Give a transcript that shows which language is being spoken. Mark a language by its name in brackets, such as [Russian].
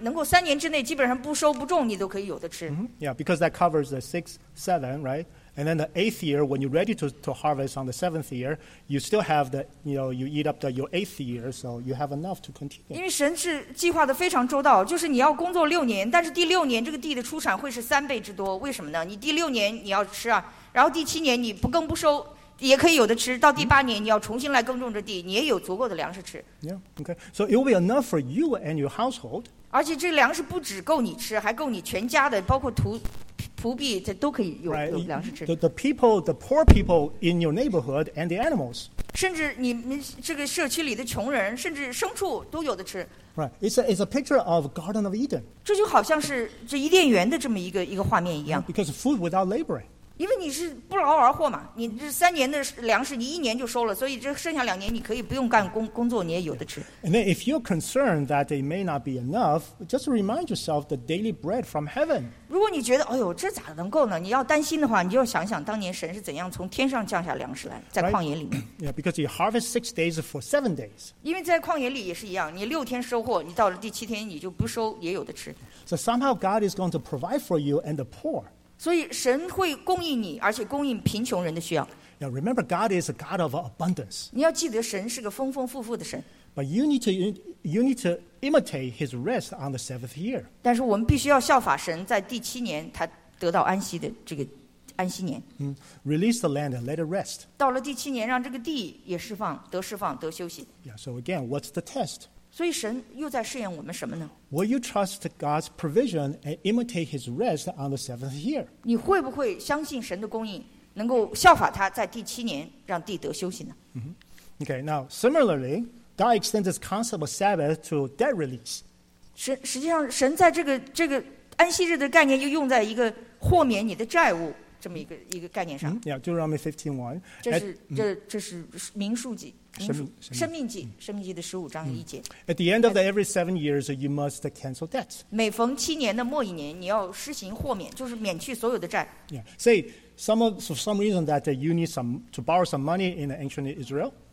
[Chinese] 到了第六年,你的地的出产会让你能够三年之内基本上不收不种, 你都可以有的吃。 [English] Mm-hmm. Yeah, because that covers the 6, 7, right? And then the eighth year, when you're ready to harvest on the seventh year, you still have the, you know, you eat up your eighth year, so you have enough to continue. [Chinese] 因为神是计划的非常周到，就是你要工作六年，但是第六年这个地的出产会是三倍之多。为什么呢？你第六年你要吃啊，然后第七年你不耕不收。也可以有的吃。到第八年，你要重新来耕种这地，你也有足够的粮食吃。 [English] Yeah, okay. So it will be enough for you and your household. [Chinese] 而且这粮食不只够你吃，还够你全家的，包括仆婢，这都可以有粮食吃。 [English] Right. The people, the poor people in your neighborhood, and the animals. [Chinese] 甚至你们这个社区里的穷人，甚至牲畜都有的吃。 [English] Right. It's a picture of Garden of Eden. [Chinese] 这就好像是这伊甸园的这么一个画面一样。 [English] Because food without laboring. [Chinese] 因为你是不劳而获嘛，你这三年的粮食你一年就收了，所以这剩下两年你可以不用干工作，你也有的吃。 [English] And then if you're concerned that it may not be enough, just remind yourself the daily bread from heaven. [Chinese] 如果你觉得哎呦这咋能够呢，你要担心的话，你就想想当年神是怎样从天上降下粮食来，在旷野里面。 [English] Right? Yeah, because you harvest 6 days for 7 days. [Chinese] 因为在旷野里也是一样，你六天收获，你到了第七天你就不收也有的吃。 [English] So somehow God is going to provide for you and the poor. [Chinese] 所以神会供应你，而且供应贫穷人的需要。 [English] Now, remember, God is a God of abundance. [Chinese] 你要记得神是个丰丰富富的神。 [English] But you need to imitate His rest on the seventh year. [Chinese] 但是我们必须要效法神，在第七年他得到安息的这个安息年。 [English] Release the land and let it rest. [Chinese] 到了第七年，让这个地也释放，得释放，得休息。 [English] Yeah. So again, what's the test? [Chinese] 所以神又在试验我们什么呢？ [English] Will you trust God's provision and imitate His rest on the seventh year? [Chinese] 你会不会相信神的供应，能够效法他在第七年让地得休息呢？ [English] Mm-hmm. Okay, now similarly, God extends this concept of Sabbath to debt release. [Chinese] 实际上，神在这个安息日的概念又用在一个豁免你的债务这么一个概念上。 [English] Yeah, Deuteronomy 15:1. [Chinese] 这是民数记。生命记的十五章一节。 [English] At the end of every 7 years, you must cancel debt. [Chinese] 每逢七年的末一年，你要施行豁免，就是免去所有的债。 [English] Yeah. Say some of, for some reason that you need some to borrow some money in ancient Israel.